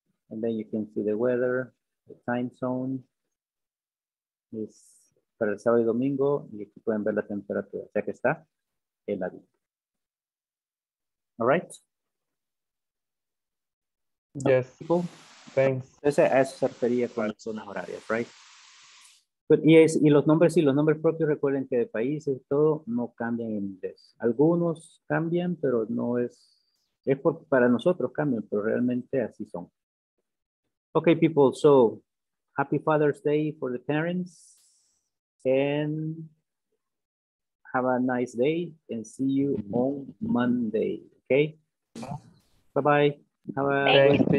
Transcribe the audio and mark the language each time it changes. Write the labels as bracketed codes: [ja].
[en] And then you can see the weather, the time zone. [es] Es para el sábado y domingo. Y aquí pueden ver la temperatura. O sea que está heladito. [en] All right. Yes. Cool. Thanks. [es] Entonces, a eso se refería con las zonas horarias, right? But, yes, y los nombres, sí, los nombres propios, recuerden que de países y todo no cambian en inglés. Algunos cambian, pero no es. Es porque para nosotros cambian, pero realmente así son. [en] Okay, people, so happy Father's Day for the parents. And have a nice day and see you on Monday. Okay? Bye bye.